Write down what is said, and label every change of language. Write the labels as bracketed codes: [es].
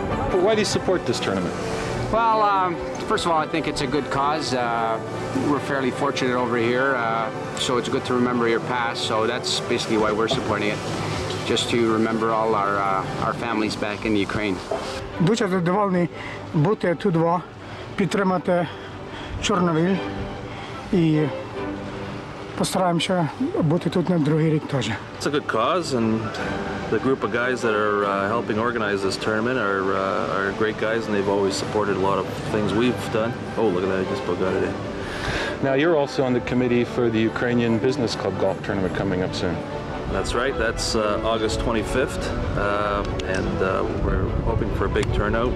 [en] But why do you support this tournament? Well, first of all, I think it's a good cause. We're fairly fortunate over here, so it's good to remember your past. So that's basically why we're supporting it, just to remember all our families back in Ukraine. [uk] Дуже задоволений бути тут два, підтримати Чорновіль і постараємося бути тут на другий рік теж. [en] It's a good cause, and the group of guys that are helping organize this tournament are great guys, and they've always supported a lot of things we've done. Oh, look at that, I just got it in. Now, you're also on the committee for the Ukrainian Business Club Golf Tournament coming up soon. That's right, that's August 25th, we're hoping for a big turnout.